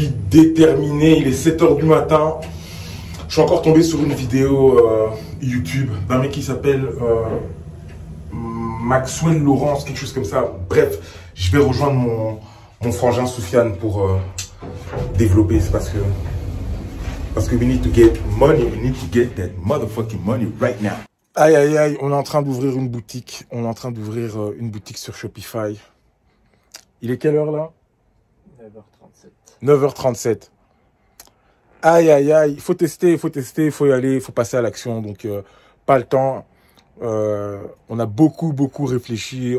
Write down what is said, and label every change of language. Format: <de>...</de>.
<fr>Déterminé, il est 7h du matin. Je suis encore tombé sur une vidéo YouTube d'un mec qui s'appelle Maxwell Laurence, quelque chose comme ça. Bref, je vais rejoindre mon frangin Soufiane pour développer. C'est parce que</fr> <en>we need to get money, we need to get that motherfucking money right now.</en> <fr>Aïe aïe aïe, on est en train d'ouvrir une boutique. On est en train d'ouvrir une boutique sur Shopify. Il est quelle heure là? 9h37. Aïe, aïe, aïe. Il faut tester. Il faut y aller. Il faut passer à l'action. Donc, pas le temps. On a beaucoup, beaucoup réfléchi.</fr>